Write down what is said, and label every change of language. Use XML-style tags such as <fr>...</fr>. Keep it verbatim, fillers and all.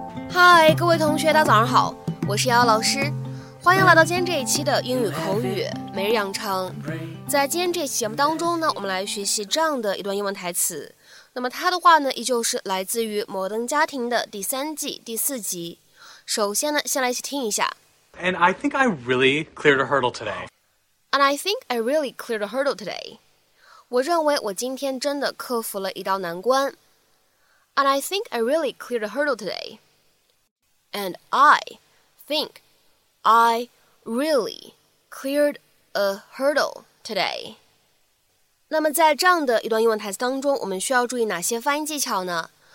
<zh>嗨，各位同学，大家早上好，我是瑶瑶老师，欢迎来到今天这一期的英语口语每日养成。在今天这期节目当中呢，我们来学习这样的一段英文台词。那么它的话呢，依旧是来自于《摩登家庭》的第三季第四集。首先呢，先来一起听一下。</zh> <en>And I think I really cleared a hurdle today. And I think I really cleared a hurdle today.</en> <zh>我认为我今天真的克服了一道难关。</zh> <en>And I think I really cleared a hurdle today. And I think I really cleared a hurdle today.</en> <zh>那么在这样的一段英文台词当中，我们需要注意哪些发音技巧呢？</zh>